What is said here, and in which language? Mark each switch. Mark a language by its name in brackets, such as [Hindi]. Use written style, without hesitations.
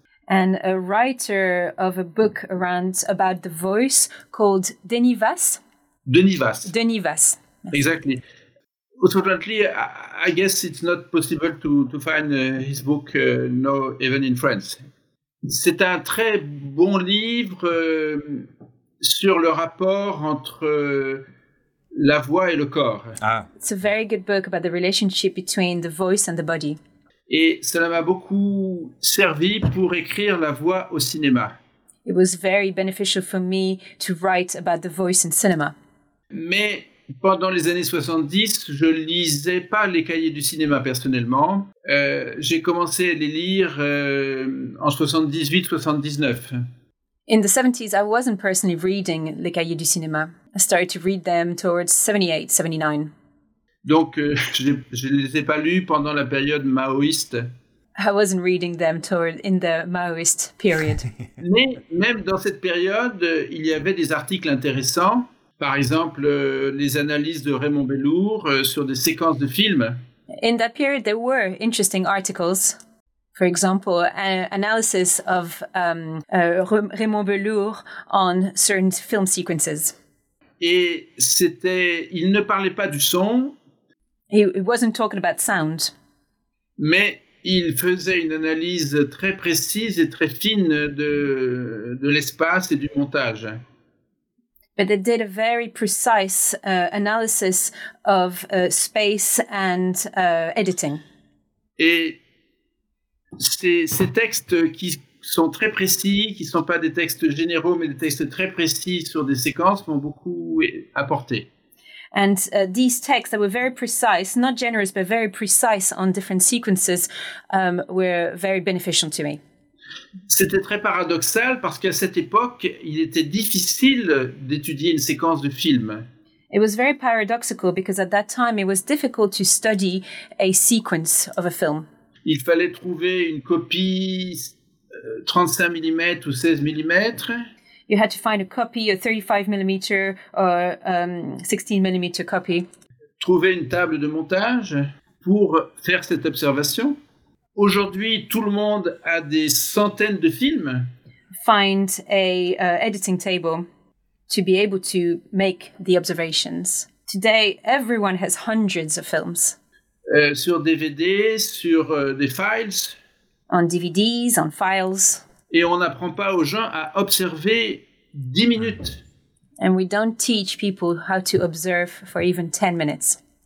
[English] And a writer of a book about the voice called Denis Vasse. Denis Vasse. Denis Vasse. Exactly. Unfortunately, I guess it's not possible to find his book now, even in France. [French] C'est un très bon livre sur le rapport entre la voix et le corps. Ah. [English] It's a very good book about the relationship between the voice and the body. [French] Et cela m'a beaucoup servi pour écrire la voix au cinéma. [English] It was very beneficial for me to write about the voice in cinema. [French] Mais pendant les années 70, je ne lisais pas les cahiers du cinéma personnellement. J'ai commencé à les lire en 78-79. [English] In the 70s, I wasn't personally reading les cahiers du cinéma. I started to read them towards 78-79. [French] Donc, je ne les ai pas lus pendant la période maoïste. [English] I wasn't reading them in the Maoist period. [French] Mais même dans cette période, il y avait des articles intéressants. Par exemple, les analyses de Raymond Bellour sur des séquences de films. [English] In that period, there were interesting articles. For example, analysis of Raymond Bellour on certain film sequences. [French] Et c'était, il ne parlait pas du son. [English] He wasn't talking about sound. [French] Mais il faisait une analyse très précise et très fine de l'espace et du montage. [English] But they did a very precise analysis of space and editing. [French] Et ces textes qui sont très précis, qui ne sont pas des textes généraux, mais des textes très précis sur des séquences, m'ont beaucoup apporté. [English] And these texts that were very precise, not generous, but very precise on different sequences, were very beneficial to me. [French] C'était très paradoxal parce qu'à cette époque, il était difficile d'étudier une séquence de film. [English] It was very paradoxical because at that time, it was difficult to study a sequence of a film. [French] Il fallait trouver une copie 35 mm ou 16 mm. [English] You had to find a copy, a 35 mm or 16 mm copy. [French] Trouver une table de montage pour faire cette observation. Aujourd'hui, tout le monde a des centaines de films. [English] Find a editing table to be able to make the observations. Today, everyone has hundreds of films. [French] Sur DVD, sur des files. [English] On DVDs, on files. [French] Et on n'apprend pas aux gens à observer 10 minutes. [English] And we don't teach people how to observe for even 10 minutes.